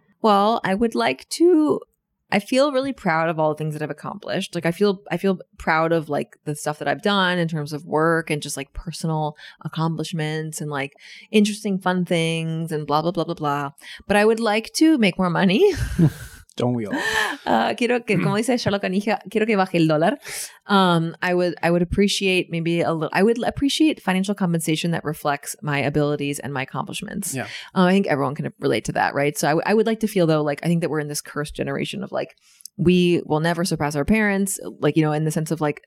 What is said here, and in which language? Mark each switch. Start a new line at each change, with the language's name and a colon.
English: Well, I would like to, I feel really proud of all the things that I've accomplished. Like I feel proud of like the stuff that I've done in terms of work and just like personal accomplishments and like interesting fun things and blah, blah, blah, blah, blah. But I would like to make more money. Don't we all?
Spanish: Quiero que, como dice Charlotte Canija, quiero que baje el dólar.
English: I would appreciate maybe a little, I would appreciate financial compensation that reflects my abilities and my accomplishments. Yeah. I think everyone can relate to that, right? So I would like to feel though, like, I think that we're in this cursed generation of like, we will never surpass our parents, like, you know, in the sense of like,